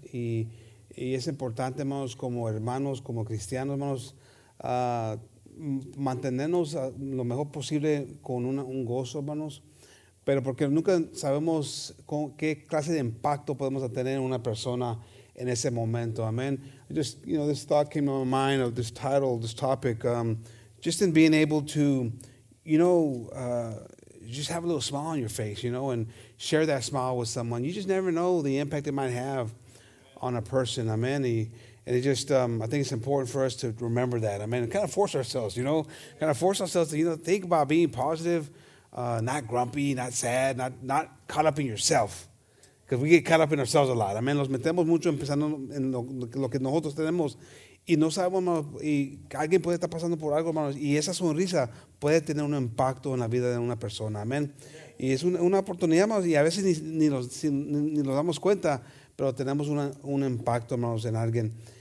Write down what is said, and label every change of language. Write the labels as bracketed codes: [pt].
[es] Y es importante, hermanos, como cristianos, hermanos, mantenernos lo mejor posible con un gozo, hermanos. Pero porque nunca sabemos qué clase de impacto podemos tener en una persona en ese momento. [en] Amen. Just, you know, this thought came to my mind of this title, this topic. Just in being able to, you know, just have a little smile on your face, you know, and share that smile with someone. You just never know the impact it might have on a person. Amen. And it just, I think it's important for us to remember that. Amen. And kind of force ourselves, you know, kind of force ourselves to, you know, think about being positive, not grumpy, not sad, not caught up in yourself. Because we get caught up in ourselves a lot. Amen. [es] Nos metemos mucho empezando en lo que nosotros tenemos. Y no sabemos, hermanos, y alguien puede estar pasando por algo, hermanos, y esa sonrisa puede tener un impacto en la vida de una persona, amén. Y es una oportunidad, hermanos, y a veces ni nos damos cuenta, pero tenemos un impacto, hermanos, en alguien.